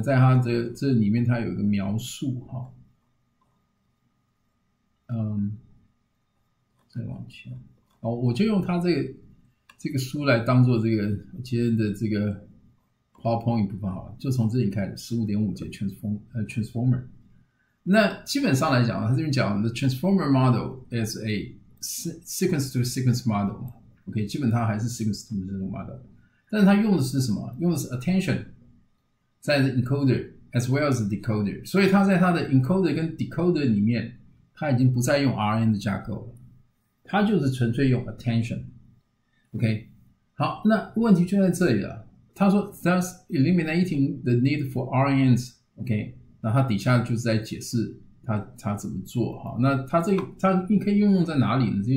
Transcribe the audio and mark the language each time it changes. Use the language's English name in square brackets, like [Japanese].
[Chinese] 在它的这里面，它有一个描述哈。再往前，哦，我就用它这个书来当做这个今天的这个 PowerPoint 一部分好了，就从这里开始15.5节 transformer。那基本上来讲，他这边讲 [English] the transformer model is a sequence to sequence model。 [Chinese] OK，基本上还是 sequence to sequence model，但是他用的是什么？用的是 attention 在 [English] encoder as well as decoder。 [Chinese] 所以他在他的 encoder 跟 decoder 里面，他已经不再用 RN 的架构了，他就是纯粹用 attention。 OK，好，那问题就在这里了。他说 [English] thus eliminating the need for RNs。 [Chinese] OK。那它底下就是在解释它怎么做哈，那它你可以运用在哪里呢？